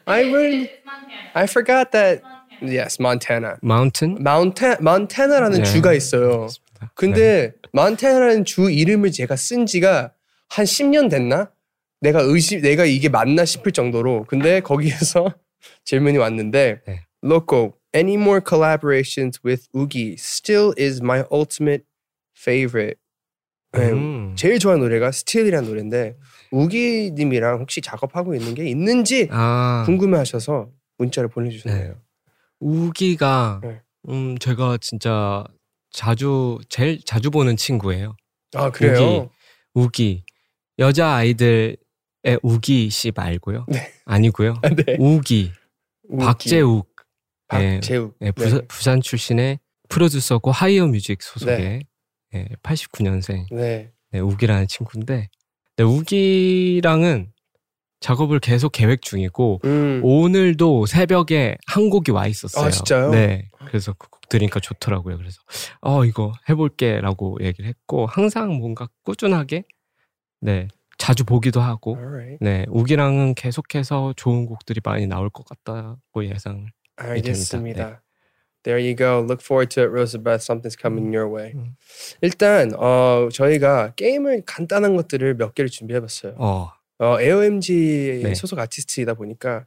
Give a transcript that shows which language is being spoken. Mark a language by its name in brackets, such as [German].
[English] I really, I forgot that. Yes, Montana. Mountain? [Korean] Montana라는 네. 주가 있어요. 근데 네. Montana라는 주 이름을 제가 쓴 지가 한 10년 됐나? 내가 이게 맞나 싶을 정도로. 근데 거기에서 질문이 왔는데 네. [English] Loco, any more collaborations with Oogie still is my ultimate favorite. [Korean] 제일 좋아하는 노래가 Still이라는 노래인데 우기님이랑 혹시 작업하고 있는 게 있는지 궁금해하셔서 문자를 보내주셨네요. 네. 우기가 네. 제가 진짜 제일 자주 보는 친구예요. 아 그래요? 우기 여자 아이들의 우기 씨 말고요. 네. 아니고요. 아, 네. 우기 박재욱. 박재욱. 네. 네. 부산 출신의 프로듀서고 하이어 뮤직 소속의 네. 네. 89년생 네. 네. 우기라는 친구인데. 네, 우기랑은 작업을 계속 계획 중이고 오늘도 새벽에 한 곡이 와 있었어요. 아 진짜요? 네. 그래서 그 곡 들으니까 좋더라고요. 그래서 이거 해볼게 라고 얘기를 했고 항상 뭔가 꾸준하게 네 자주 보기도 하고 네 우기랑은 계속해서 좋은 곡들이 많이 나올 것 같다고 예상을 됩니다. 알겠습니다. 네. [English] There you go. Look forward to it, Rosabeth. Something's coming your way. [Korean] 일단 저희가 게임을 간단한 것들을 몇 개를 준비해봤어요. AOMG 네. 소속 아티스트이다 보니까